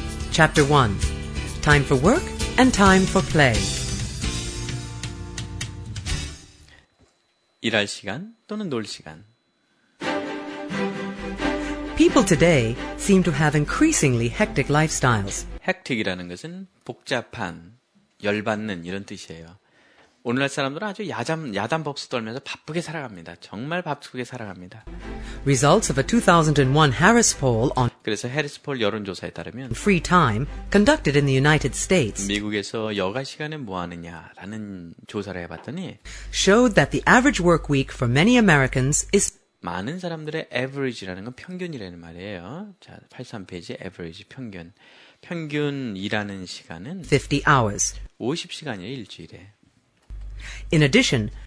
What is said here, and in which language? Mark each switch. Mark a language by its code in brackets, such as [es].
[en] Chapter 1, Time for Work and Time for Play. [ko] 일할 시간 또는 놀 시간. [en] People today seem to have increasingly hectic lifestyles. [ko] Hectic이라는 것은 복잡한, 열받는 이런 뜻이에요. 오늘날 사람들은 아주 야단법수 떨면서 바쁘게 살아갑니다. 정말 바쁘게 살아갑니다. [en] Results of a 2001 Harris poll on [ko] 그래서 해리스 폴 여론조사에 따르면 [en] free time conducted in the United States [ko] 미국에서 여가 시간에 뭐 하느냐라는 조사를 해봤더니 [en] showed that the average work week for many Americans is [ko] 많은 사람들의 average라는 건 평균이라는 말이에요. 자, 83페이지 average 평균 평균 일하는 시간은 [en] 50 hours [ko] 50시간이에요 일주일에. [en] In addition,